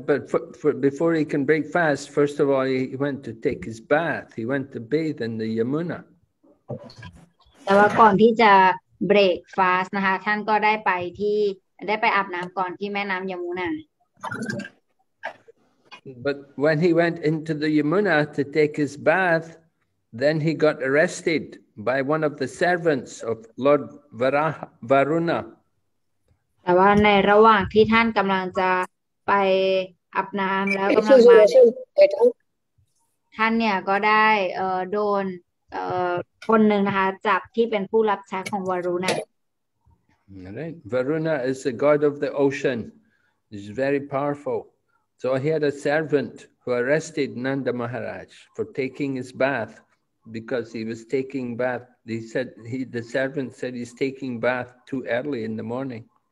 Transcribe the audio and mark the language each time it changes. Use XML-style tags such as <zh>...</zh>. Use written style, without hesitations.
<en>But before he can break fast, first of all, he went to take his bath. He went to bathe in the Yamuna.</en> <th>แต่ว่าก่อนที่จะ</th> <en>break fast</en> <th>นะคะท่านก็ได้ไปที่ได้ไปอาบน้ำก่อนที่แม่น้ำยมุนา</th> <en>But when he went into the Yamuna to take his bath, then he got arrested. By one of the servants of Lord Varuna.</en> <th>แต่ว่าในระหว่างที่ท่านกำลังจะไปอาบน้ำแล้วกำลังมาท่านเนี่ยก็ได้โดนคนหนึ่งนะคะจับที่เป็นผู้รับใช้ของวารุณะ</th> <en>Right, Varuna is the god of the ocean. He's very powerful. So he had a servant who arrested Nanda Maharaj for taking his bath. Because he was taking bath, he said he the servant said he's taking bath too early in the morning.</en>